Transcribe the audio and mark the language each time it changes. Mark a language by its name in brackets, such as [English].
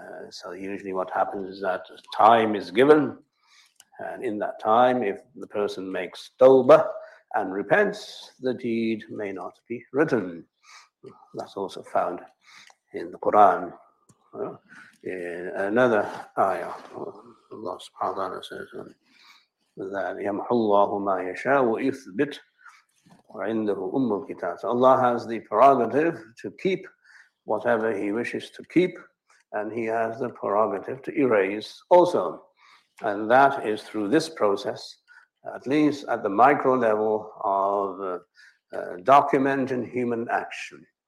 [English] So usually what happens is that time is given, and in that time, if the person makes tawbah and repents, the deed may not be written. That's also found in the Quran, in another ayah. Allah subhanahu wa ta'ala says that [Arabic] يَمْحُ اللَّهُ مَا يَشَاءُ وَيُثْبِتْ وَعِنْدَهُ أُمُّ الْكِتَابِ. [English] So Allah has the prerogative to keep whatever He wishes to keep, and He has the prerogative to erase also. And that is through this process, at least at the micro level of documenting human action.